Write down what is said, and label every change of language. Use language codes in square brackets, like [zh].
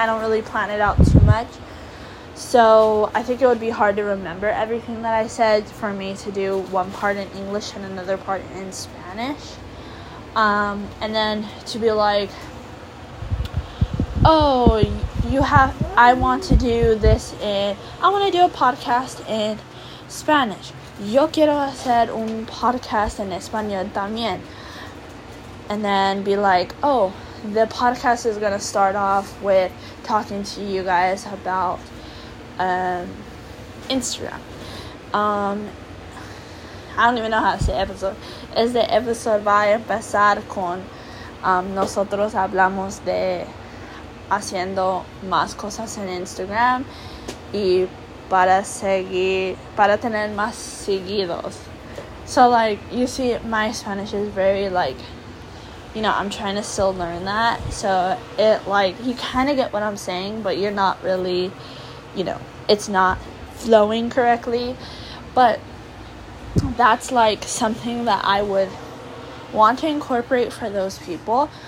[en] I don't really plan it out too much. So I think it would be hard to remember everything that I said for me to do one part in English and another part in Spanish. And then to be like, I want to do this in, I want to do a podcast in Spanish. [es] Yo quiero hacer un podcast en español también. [en] And then be like, oh, the podcast is going to start off with talking to you guys about Instagram. I don't even know how to say episode. [es] Este episode va a empezar con nosotros hablamos de haciendo más cosas en Instagram y para tener más seguidos. [en] So like, you see, my Spanish is very like, you know, I'm trying to still learn that. So it, like, you kind of get what I'm saying, but you're not really, you know, it's not flowing correctly. But that's, like, something that I would want to incorporate for those people.